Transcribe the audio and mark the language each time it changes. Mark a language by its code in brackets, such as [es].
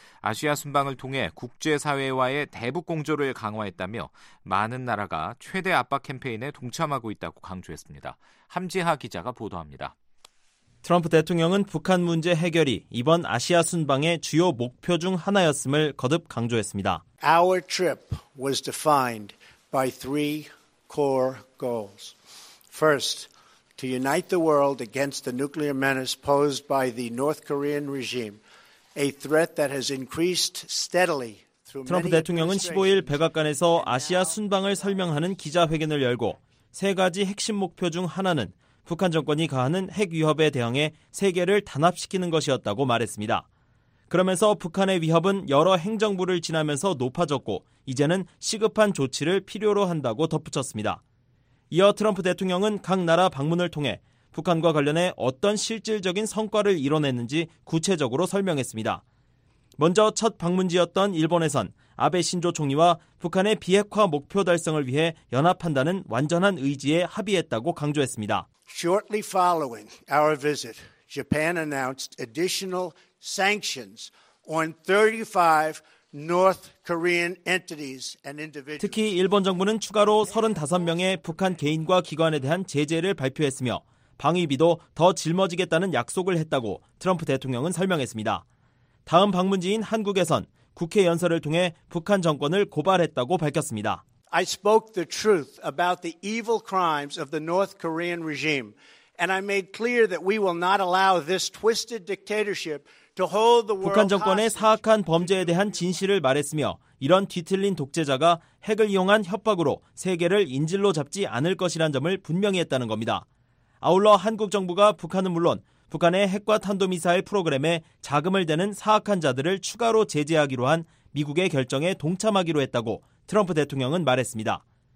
[ko] 아시아 순방을 통해 국제사회와의 대북 공조를 강화했다며 많은 나라가 최대 압박 캠페인에 동참하고 있다고 강조했습니다. 함지하 기자가 보도합니다. 트럼프 대통령은 북한 문제 해결이 이번 아시아 순방의 주요 목표 중 하나였음을 거듭 강조했습니다. [en] Our trip was defined by three core goals. First, to unite the world against the nuclear menace posed by the North Korean regime, a threat that has increased steadily. [ko] 트럼프 대통령은 15일 백악관에서 아시아 순방을 설명하는 기자회견을 열고 세 가지 핵심 목표 중 하나는 북한 정권이 가하는 핵 위협에 대응해 세계를 단합시키는 것이었다고 말했습니다. 그러면서 북한의 위협은 여러 행정부를 지나면서 높아졌고 이제는 시급한 조치를 필요로 한다고 덧붙였습니다. 이어 트럼프 대통령은 각 나라 방문을 통해 북한과 관련해 어떤 실질적인 성과를 이뤄냈는지 구체적으로 설명했습니다. 먼저 첫 방문지였던 일본에선 아베 신조 총리와 북한의 비핵화 목표 달성을 위해 연합한다는 완전한 의지에 합의했다고 강조했습니다. [en] Shortly following our visit, Japan announced additional sanctions on 35 North Korean entities and individuals. [ko] 특히 일본 정부는 추가로 35명의 북한 개인과 기관에 대한 제재를 발표했으며 방위비도 더 짊어지겠다는 약속을 했다고 트럼프 대통령은 설명했습니다. 다음 방문지인 한국에선 국회 연설을 통해 북한 정권을 고발했다고 밝혔습니다. [en] I spoke the truth about the evil crimes of the North Korean regime, and I made clear that we will not allow this twisted dictatorship to hold the world. [ko] 북한 정권의 사악한 범죄에 대한 진실을 말했으며 이런 뒤틀린 독재자가 핵을 이용한 협박으로 세계를 인질로 잡지 않을 것이란 점을 분명히 했다는 겁니다. 아울러 한국 정부가 북한은 물론 북한의 핵과 탄도미사일 프로그램에 자금을 대는 사악한 자들을 추가로 제재하기로 한 미국의 결정에 동참하기로 했다고 트럼프 대통령은 말했습니다.